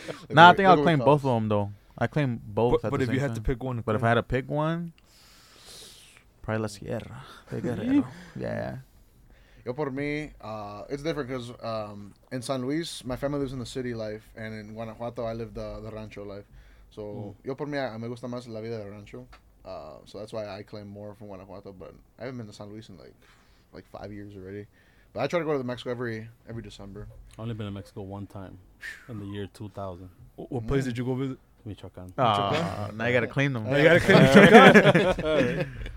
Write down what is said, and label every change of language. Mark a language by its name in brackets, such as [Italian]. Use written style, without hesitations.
[English] Nah, I think I'll claim both of them, though. I claim both at the same time. But if you had to pick one. But if I had to pick one, probably La Sierra. De Guerrero. Yeah. [Spanish] Yo, por mí, [English] it's different because in San Luis, my family lives in the city life. And in Guanajuato, I live the rancho life. [Spanish] So, yo por mí, me gusta más la vida de rancho. [English] So that's why I claim more from Guanajuato. But I haven't been to San Luis in like 5 years already. But I try to go to Mexico every December. I've only been to Mexico one time in the year 2000. What place did you go visit? Michoacán. Now you got to claim them. Now you got to claim Michoacán.